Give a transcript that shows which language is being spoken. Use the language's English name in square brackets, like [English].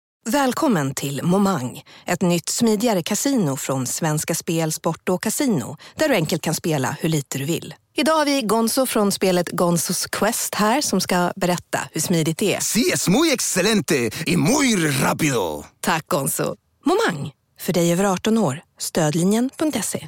[Swedish] Välkommen till Momang, ett nytt smidigare kasino från Svenska Spel, Sport och Casino, där du enkelt kan spela hur lite du vill. Idag har vi Gonzo från spelet Gonzos Quest här som ska berätta hur smidigt det är. [Spanish] Sí, es muy excelente y muy rápido. [Swedish] Tack Gonzo. Momang, för dig över 18 år. Stödlinjen.se.